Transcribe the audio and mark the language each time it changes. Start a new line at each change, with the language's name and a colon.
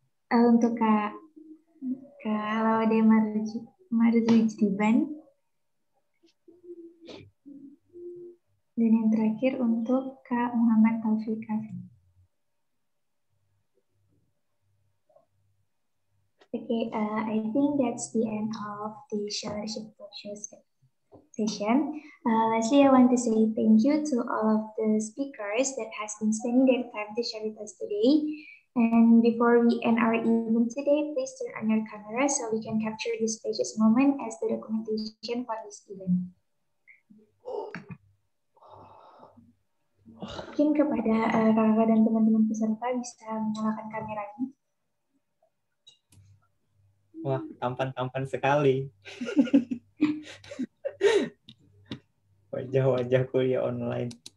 Indonesian: Untuk kak Laude Marzujiban. Dan yang terakhir untuk Kak Muhammad Taufik.
English: Okay, I think that's the end of the scholarship process. Lastly, I want to say thank you to all of the speakers that has been spending their time to share with us today. And before we end our evening today, please turn on your camera so we can capture this precious moment as the documentation for this event.
Indonesian: Mungkin kepada kakak dan teman-teman peserta bisa menyalakan kameranya. Wah, tampan-tampan sekali. Wajah-wajah kuliah online.